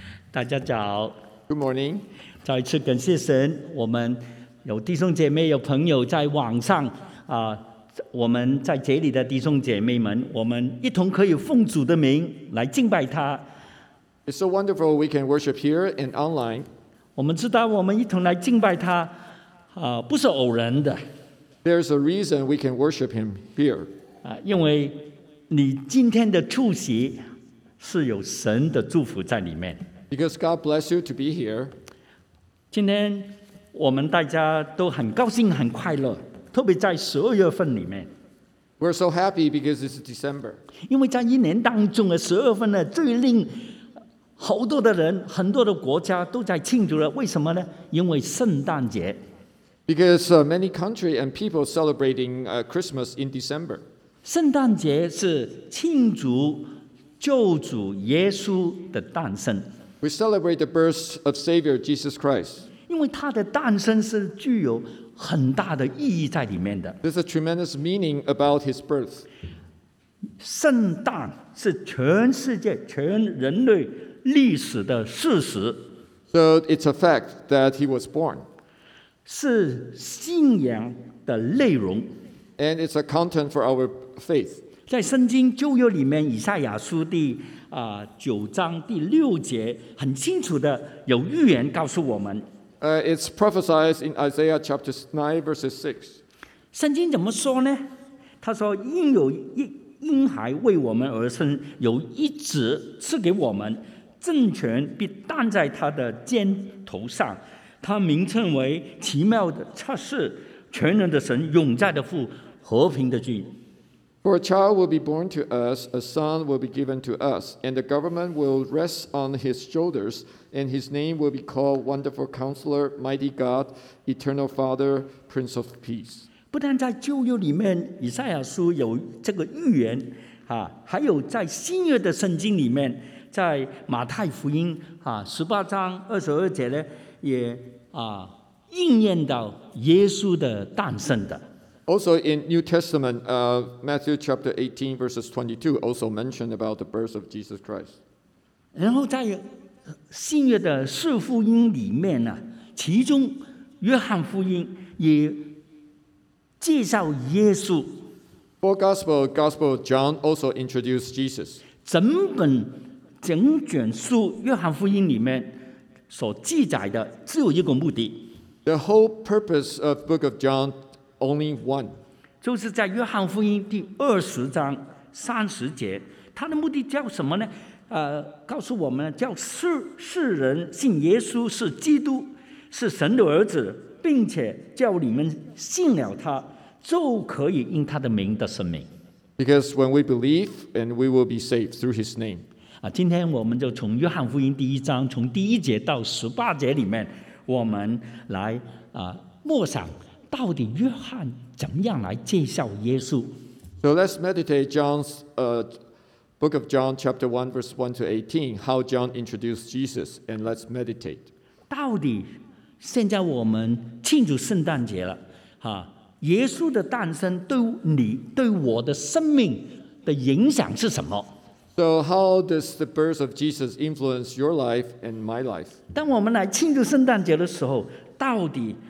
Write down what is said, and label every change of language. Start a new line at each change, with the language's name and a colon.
Chinese: 大家早。
English: Good morning.
Chinese: 再一次感谢神，我们有弟兄姐妹，有朋友在网上我们在这里的弟兄姐妹们，我们一同可以奉主的名来敬拜他。
English: It's so wonderful we can worship here and online.
Chinese: 我们知道我们一同来敬拜他不是偶然的。
English: There's a reason we can worship him here.
Chinese: 因为你今天的出席是有神的祝福在里面。
English: Because God bless you to be here.
Chinese: 今天我们大家都很高兴很快乐，特别在十二月份里面。
English: We're so happy because it's December.
Chinese: 因为在一年当中的十二份呢，最令好多的人，很多的国家都在庆祝了。为什么呢？因为圣诞节。
English: Because many countries and people celebrating Christmas in December.
Chinese: 圣诞节是庆祝救主耶稣的诞生。
English: We celebrate the birth of Savior Jesus Christ.
Chinese: 因为他的诞生是具有很大的意义在里面的。
English: There's a tremendous meaning about his birth.
Chinese: 圣诞是全世界全人类历史的事实。
English: So it's a fact that he was born.
Chinese: 是信仰的内容。
English: And it's a content for our faith.
Chinese: 在圣经旧约里面，以赛亚书第九章第六节很清楚的有预言告诉我们。
English: It's prophesied in Isaiah chapter 9 verses 6.
Chinese: 圣经怎么说呢？他说因有一婴孩为我们而生，有一子赐给我们，政权必担在他的肩头上，他名称为奇妙的测试，全能的神，永在的父，和平的君。
English: For a child will be born to us, a son will be given to us, and the government will rest on his shoulders, and his name will be called Wonderful Counselor, Mighty God, Eternal Father, Prince of Peace.
Chinese: 不但在旧约里面，以赛亚书有这个预言，还有在新约的圣经里面，在马太福音十八章二十二节呢，也应验到耶稣的诞生的。
English: Also in New Testament, Matthew chapter 18, verses 22, also mentioned about the birth of Jesus Christ.
Chinese: 然后在新约的四福音里面呢，其中约翰福音也介绍耶稣。
English: For Gospel of John also introduced Jesus.
Chinese: 整卷书约翰福音里面所记载的只有一个目的。
English: The whole purpose of Book of John. Only one.
Chinese: 就是在约翰福音第二十章三十节，他的目的叫什么呢？告诉我们叫世人信耶稣是基督，是神的儿子，并且叫你们信了他，就可以因他的名得生命。
English: Because when we believe, and we will be saved through his name.
Chinese: 今天我们就从约翰福音第一章，从第一节到十八节里面，我们来默想。到底约翰怎么样来介绍耶稣？
English: So let's meditate John's book of John chapter 1 verse 1 to 18 how John introduced Jesus and let's meditate.
Chinese: 到底现在我们庆祝圣诞节了耶稣的诞生对你对我的生命的影响是什么？
English: So how does the birth of Jesus influence your life and my life?
Chinese: 当我们来庆祝圣诞节的时候到底